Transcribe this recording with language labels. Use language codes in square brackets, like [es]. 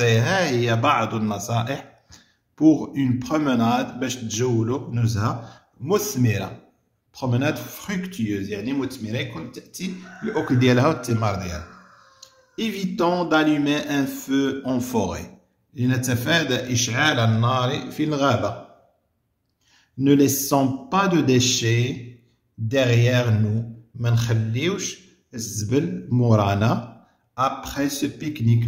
[ar] ها هي بعض النصائح [fr] pour une promenade [ar] باش تجولوا نزهة مثمرة. [fr] Promenade fructueuse [ar] يعني مثمرة، يكون تأتي الأكل ديالها والثمار ديالها. [fr] Évitons d'allumer un feu en forêt. [ar] لنتفادى إشعال النار في الغابة. [fr] Ne laissons pas de déchets derrière nous. [ar] Ma nkhliwch zbel morana [fr] après ce pique-nique.